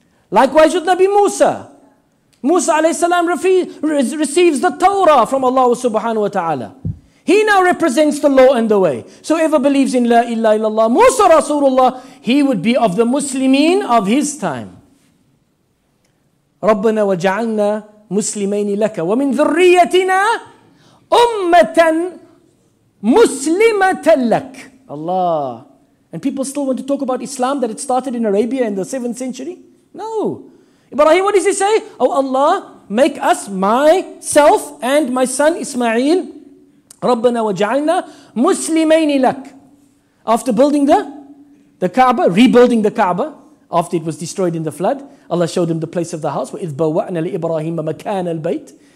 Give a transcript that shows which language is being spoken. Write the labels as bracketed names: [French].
[English] Likewise with Nabi Musa. Musa alayhi salam receives the Torah from Allah subhanahu wa ta'ala. He now represents the law and the way. So whoever believes in La ilaha illallah, Musa Rasulullah, he would be of the Muslimin of his time. [Arabic] رَبَّنَا وَجَعَلْنَا مُسْلِمَيْنِ لَكَ وَمِنْ ذُرِّيَّتِنَا أُمَّةً مُسْلِمَةً لَكَ Allah. [English] And people still want to talk about Islam, that it started in Arabia in the 7th century? No. Ibrahim, what does he say? Oh Allah, make us, myself and my son Ismail, [Arabic] رَبَّنَا وَجَعَلْنَا مُسْلِمَيْنِ لَكْ [English] After building the Kaaba, rebuilding the Kaaba, after it was destroyed in the flood, Allah showed him the place of the house, [Arabic] وَإِذْ بَوَّأْنَا لِإِبْرَاهِيمَ مَكَانَ الْبَيْتِ